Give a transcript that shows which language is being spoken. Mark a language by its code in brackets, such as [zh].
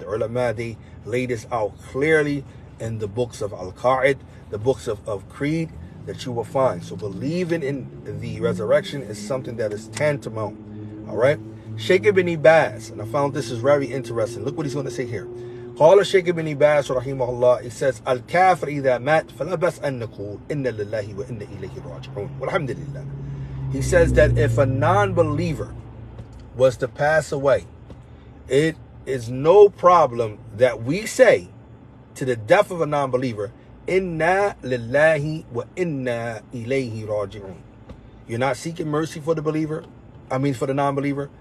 [en] The ulama, they laid this out clearly in the books of Al-Qa'id, the books of Creed, that you will find. So believing in the resurrection is something that is tantamount. All right? Sheikh Ibn Ibaz, and I found this is very interesting. Look what he's going to say here. [ar] قال الشيخ ابن باز رحمه الله [en] he says [ar] الكافر إذا مات فلا بأس أن نقول إن لله وإن إليه راجعون والحمد لله. [en] He says that if a non-believer was to pass away, it is no problem that we say to the death of a non-believer [ar] إن لله وإن إليه راجعون. [en] You're not seeking mercy for the believer, for the non-believer.